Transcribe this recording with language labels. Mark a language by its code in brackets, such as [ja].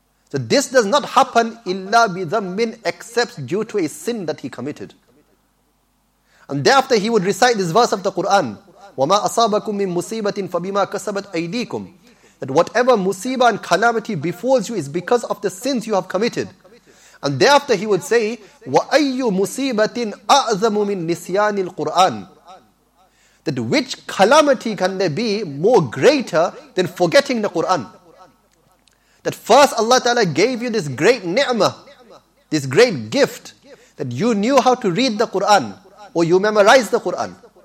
[en] So this does not happen [ar] illa bidhammin [en] except due to a sin that he committed. And thereafter he would recite this verse of the Qur'an. [ar] وَمَا أَصَابَكُم مِّن مُّصِيبَةٍ فَبِمَا كَسَبَتْ أَيْدِيكُمْ. [en] That whatever musibah and calamity befalls you is because of the sins you have committed. And thereafter he would say, [ar] وَأَيُّ مُصِيبَةٍ أَعْظَمُ مِّن نِسْيَانِ الْقُرْآنِ. [en] That which calamity can there be more greater than forgetting the Qur'an? That first Allah Ta'ala gave you this great ni'mah, this great gift, that you knew how to read the Qur'an, or you memorized the Qur'an.